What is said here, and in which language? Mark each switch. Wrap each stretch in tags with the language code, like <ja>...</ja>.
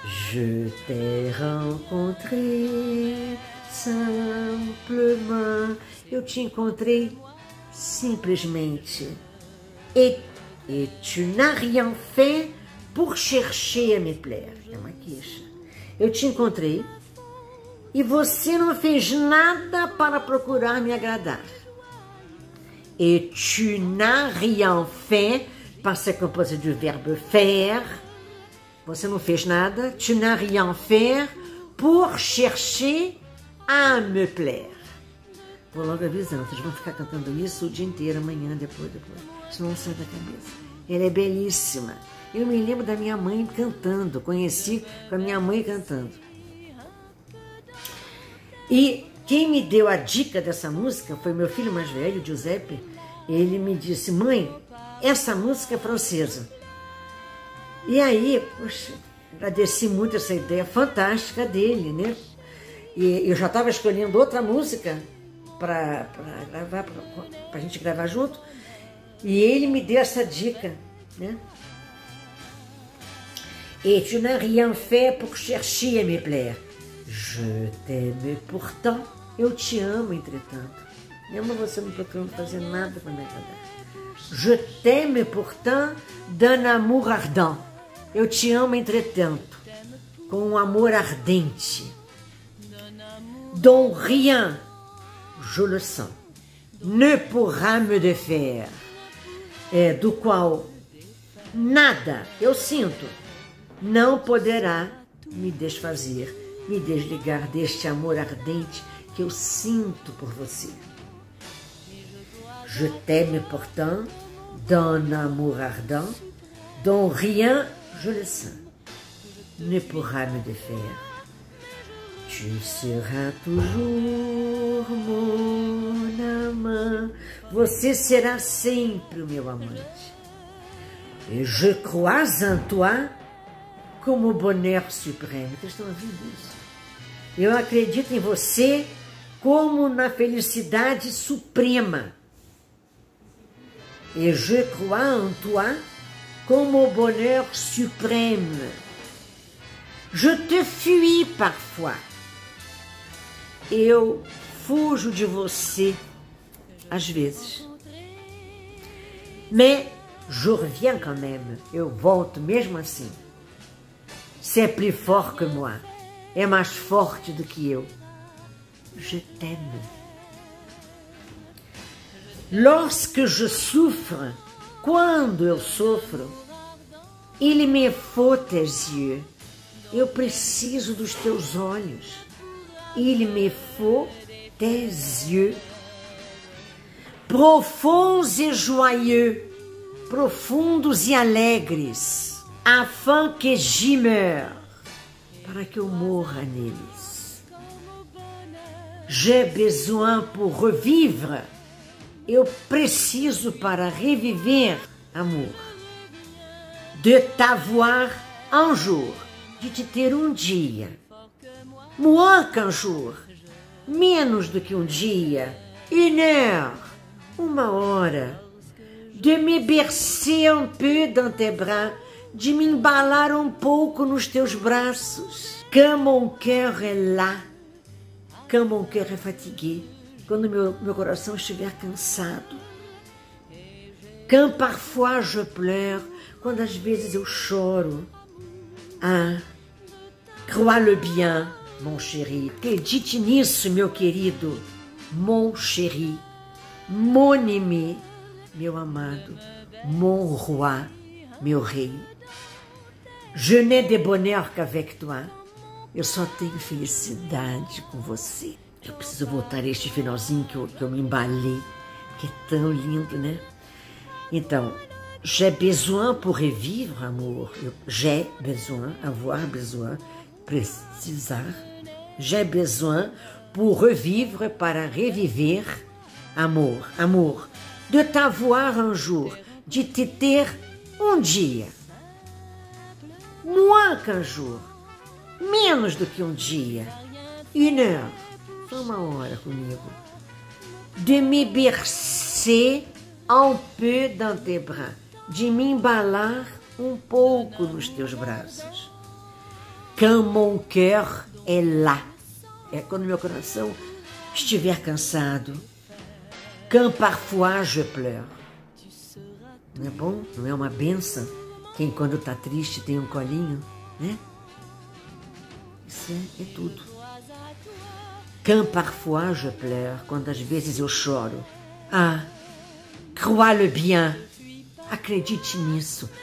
<fr>Je t'ai rencontré simplement.</fr> <pt>Eu te encontrei simplesmente.</pt> <fr>E tu n'as rien fait pour chercher à me plaire.</fr> <pt>É uma queixa. Eu te encontrei e você não fez nada para procurar me agradar.</pt> <fr>Et tu n'as rien fait, parce que composé</fr> <pt>do verbo</pt> <fr>faire.</fr> <pt>Você não fez nada,</pt> <fr>tu n'as rien fait pour chercher à me plaire.</fr> <pt>Vou logo avisando, vocês vão ficar cantando isso o dia inteiro, amanhã, depois. Isso não sai da cabeça. Ela é belíssima. Eu me lembro da minha mãe cantando, conheci com a minha mãe cantando. E quem me deu a dica dessa música foi meu filho mais velho, Giuseppe. Ele me disse, mãe, essa música é francesa. E aí, poxa, agradeci muito essa ideia fantástica dele, né? E eu já estava escolhendo outra música para gravar, para a gente gravar junto. E ele me deu essa dica, né?</pt> <fr>Et tu n'as rien fait pour chercher à me plaire. Je t'aime pourtant.</fr> <pt>Eu te amo, entretanto. Eu amo você não procurando fazer nada para me agradar.</pt> <fr>Je t'aime pourtant d'un amour ardent.</fr> <pt>Eu te amo, entretanto, com um amor ardente.</pt> <fr>Dont rien, je le sens, ne pourra me défaire.</fr> <pt>É, do qual nada, eu sinto, não poderá me desfazer, me desligar deste amor ardente que eu sinto por você.</pt> <fr>Je t'aime pourtant d'un amour ardent, dont rien, je le sens, ne pourra me défaire. Tu seras toujours mon amant.</fr> <pt>Você será sempre o meu amante.</pt> <fr>Et je crois en toi comme au bonheur suprême.</fr> <pt>Vocês estão ouvindo isso? Eu acredito em você como na felicidade suprema.</pt> <fr>Et je crois en toi comme au bonheur suprême. Je te fuis parfois.</fr> <pt>Eu fujo de você às vezes.</pt> <fr>Mais je reviens quand même.</fr> <pt>Eu volto mesmo assim.</pt> <fr>C'est plus fort que moi.</fr> <pt>É mais forte do que eu.</pt> <fr>Je t'aime. Lorsque je souffre,</fr> <pt>quando eu sofro,</pt> <fr>il me faut tes yeux.</fr> <pt>Eu preciso dos teus olhos.</pt> <fr>Il me faut tes yeux. Profonds et joyeux.</fr> <pt>Profundos e alegres.</pt> <fr>Afin que j'y meure.</fr> <pt>Para que eu morra neles.</pt> <fr>J'ai besoin pour revivre.</fr> <pt>Eu preciso para reviver, amor,</pt> <fr>de t'avoir un jour,</fr> <pt>de te ter um dia.</pt> <fr>Moins qu'un jour,</fr> <pt>menos do que um dia.</pt> <fr>Une heure,</fr> <pt>uma hora.</pt> <fr>De me bercer un peu dans tes bras,</fr> <pt>de me embalar um pouco nos teus braços.</pt> <fr>Quand mon cœur est là, quand mon cœur est fatigué.</fr> <pt>Quando meu coração estiver cansado.</pt> <fr>Quand parfois je pleure.</fr> <pt>Quando às vezes eu choro.</pt> <fr>Ah, crois-le bien, mon chéri.</fr> <pt>Acredite nisso, meu querido.</pt> <fr>Mon chéri. Mon aimé.</fr> <pt>Meu amado.</pt> <fr>Mon roi.</fr> <pt>Meu rei.</pt> <fr>Je n'ai de bonheur qu'avec toi.</fr> <pt>Eu só tenho felicidade com você. Eu preciso voltar este finalzinho que eu me embalei, que é tão lindo, né?</pt> <fr>Então, j'ai besoin pour revivre, amor. J'ai besoin, avoir besoin, precisar. J'ai besoin pour revivre,</fr> <pt>para reviver,</pt> <fr>amor.</fr> <pt>Amor,</pt> <fr>de t'avoir un jour,</fr> <pt>de te ter um dia.</pt> <fr>Moins qu'un jour,</fr> <pt>menos do que um dia.</pt> <fr>Une heure.</fr> <pt>Só uma hora comigo.</pt> <fr>De me bercer un peu dans tes bras.</fr> <pt>De me embalar um pouco nos teus braços.</pt> <fr>Quand mon cœur est là.</fr> <pt>É quando meu coração estiver cansado.</pt> <fr>Quand parfois je pleure.</fr> <pt>Não é bom? Não é uma benção? Quem quando está triste tem um colinho, né? Isso é tudo.</pt> <fr>Quand parfois je pleure,</fr> <pt>quando às vezes eu choro.</pt> <fr>Ah, crois-le bien.</fr> <pt>Acredite nisso.</pt>